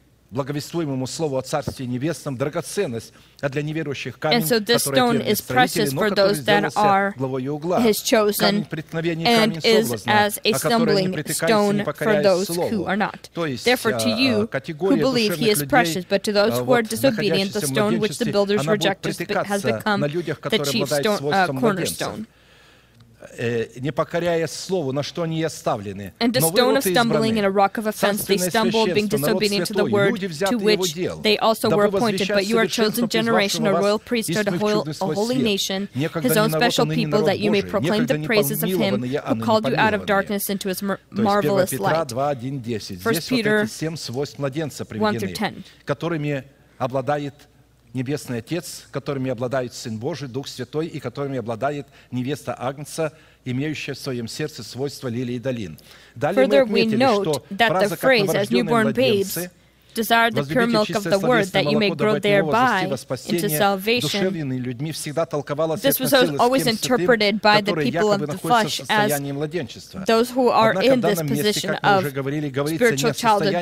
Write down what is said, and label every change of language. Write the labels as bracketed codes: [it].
[ru] Благовествуемому слову о Царстве Небесном драгоценность, а для неверующих камень, [en] and so this stone is precious for those that are his chosen and is as a stumbling stone for those who are not. Therefore, to you who believe, he is precious, but to those who are disobedient, the stone which the builders rejected has become the chief stone, cornerstone. [ru] Не покоряясь слову, на что они оставлены. [en] And a stone of stumbling and a rock of offense, they stumbled, being disobedient to the word to which they also were appointed. But you are a chosen generation, a royal priesthood, a holy nation, his own special people, that you may proclaim the praises of him who called you out of darkness into his marvelous light. [ru] 1 Peter 7:8, которыми обладает Небесный Отец, которыми обладает Сын Божий, Дух Святой, и которыми обладает невеста Агнца, имеющая в своем сердце свойства лилии долин. Далее [en] further, [ru] мы отметили, что фраза «как новорожденные младенцы» [en] desire the pure milk of the word, that you may grow thereby into salvation. This was always interpreted by the people of the flesh as those who are in this position of spiritual childhood.